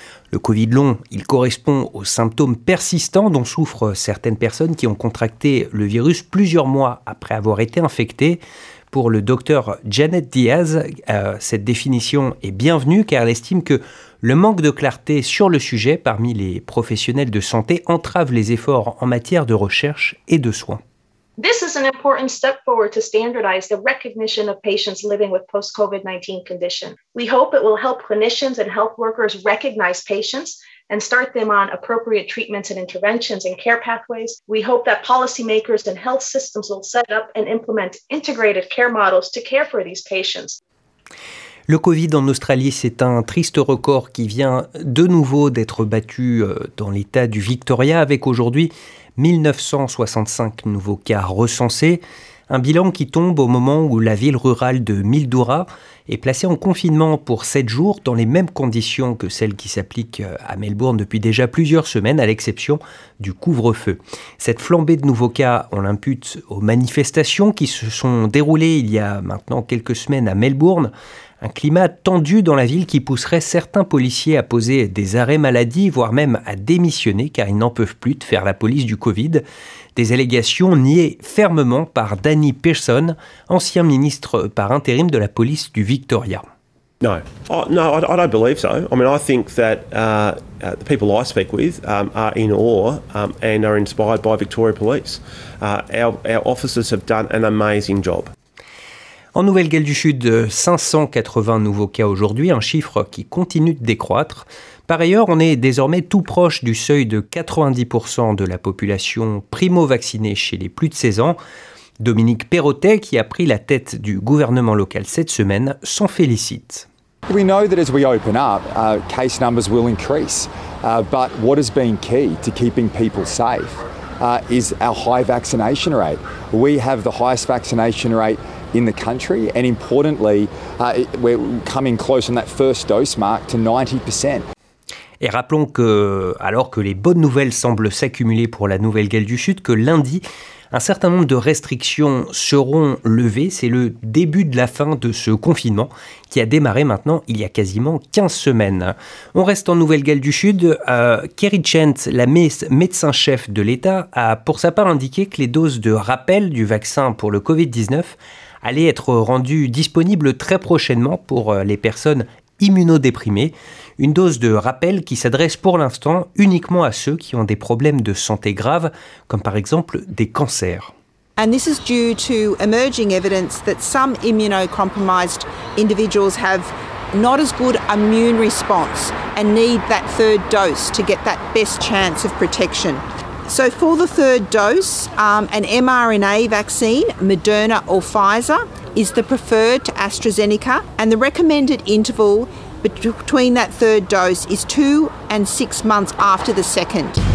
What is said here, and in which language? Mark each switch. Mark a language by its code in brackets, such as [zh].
[fr] Le Covid long, il correspond aux symptômes persistants dont souffrent certaines personnes qui ont contracté le virus plusieurs mois après avoir été infectées. Pour le docteur Janet Diaz, cette définition est bienvenue car elle estime que le manque de clarté sur le sujet parmi les professionnels de santé entrave les efforts en matière de recherche et de soins. [en] This is an important step forward to standardize the recognition of patients living with post-COVID-19 condition. We hope it will help clinicians and health workers recognize patients and start them on appropriate treatments and interventions and care pathways. We hope that policymakers and health systems will set up and implement integrated care models to care for these patients. [fr] Le Covid en Australie, c'est un triste record qui vient de nouveau d'être battu dans l'état du Victoria avec aujourd'hui 1965 nouveaux cas recensés, un bilan qui tombe au moment où la ville rurale de Mildura est placée en confinement pour 7 jours dans les mêmes conditions que celles qui s'appliquent à Melbourne depuis déjà plusieurs semaines, à l'exception du couvre-feu. Cette flambée de nouveaux cas, on l'impute aux manifestations qui se sont déroulées il y a maintenant quelques semaines à Melbourne. Un climat tendu dans la ville qui pousserait certains policiers à poser des arrêts maladie, voire même à démissionner car ils n'en peuvent plus de faire la police du Covid. Des allégations niées fermement par Danny Pearson, ancien ministre par intérim de la police du Victoria. [en] No, oh, no, I don't believe so. I mean, I think that the people I speak with are in awe and are inspired by Victoria Police. Our officers have done an amazing job. [fr] En Nouvelle-Galles du Sud, 580 nouveaux cas aujourd'hui, un chiffre qui continue de décroître. Par ailleurs, on est désormais tout proche du seuil de 90% de la population primo-vaccinée chez les plus de 16 ans. Dominique Perrottet, qui a pris la tête du gouvernement local cette semaine, s'en félicite. [en] We know that as we open up, case numbers will increase. But what has been key to keeping people safe is our high vaccination rate. We have the highest vaccination rate in the country, and importantly, we're coming close on that first dose mark to 90%. [fr] Et rappelons que, alors que les bonnes nouvelles semblent s'accumuler pour la nouvelle Galles du Sud, que lundi, un certain nombre de restrictions seront levées. C'est le début de la fin de ce confinement qui a démarré maintenant il y a quasiment 15 semaines. On reste en Nouvelle-Galles du Sud. Kerry Chent, la médecin-chef de l'État, a pour sa part indiqué que les doses de rappel du vaccin pour le Covid-19 allaient être rendues disponibles très prochainement pour les personnes immunodéprimées. Une dose de rappel qui s'adresse pour l'instant uniquement à ceux qui ont des problèmes de santé graves, comme par exemple des cancers. [en] And this is due to emerging evidence that some immunocompromised individuals have not as good immune response and need that third dose to get that best chance of protection. So for the third dose, an mRNA vaccine, Moderna or Pfizer, is the preferred to AstraZeneca, and the recommended interval between that third dose is 2 and 6 months after the second.